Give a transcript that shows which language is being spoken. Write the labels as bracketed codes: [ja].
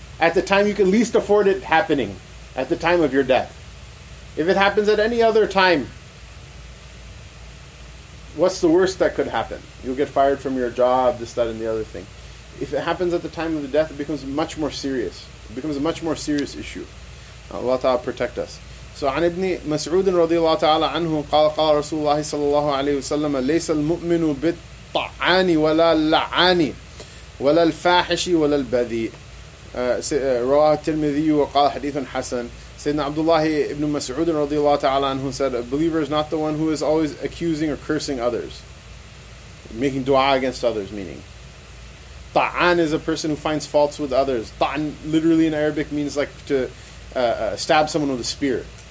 [en] At the time you can least afford it happening, at the time of your death. If it happens at any other time, what's the worst that could happen? You'll get fired from your job, this, that, and the other thing. If it happens at the time of the death, it becomes much more serious. It becomes a much more serious issue. Allah Ta'ala protect us. [ar] So عن ابن مسعود رضي الله تعالى عنه قال قال رسول الله صلى الله عليه وسلم ليس المؤمن بالطعان ولا اللعان ولا الفاحش ولا البذيء رواه الترمذي وقال حديث حسن. سيدنا عبد الله ابن مسعود رضي الله تعالى عنه [en] said, a believer is not the one who is always accusing or cursing others, making dua against others, meaning طعان is a person who finds faults with others. طعان literally in Arabic means like to stab someone with a spear.